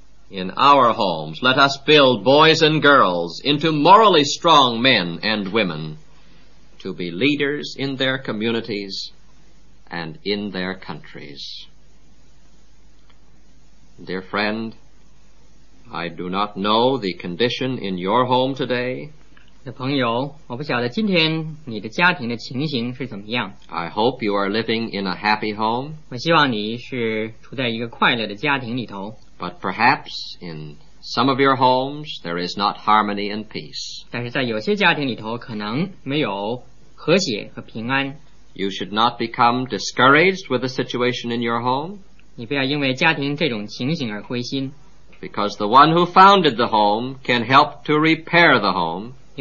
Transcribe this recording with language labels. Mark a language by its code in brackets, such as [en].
[en] In our homes, let us build boys and girls into morally strong men and women to be leaders in their communities and in their countries. Dear friend, I do not know the condition in your home today. [zh] 朋友, 我不晓得今天你的家庭的情形是怎么样。 [en] I hope you are living in a happy home. [zh] 我希望你是处在一个快乐的家庭里头。 [en] But perhaps in some of your homes there is not harmony and peace. [zh] 但是在有些家庭里头可能没有和谐和平安。 [en] You should not become discouraged with the situation in your home. [zh] 你不要因为家庭这种情形而灰心。 [en] Because the one who founded the home can help to repair the home.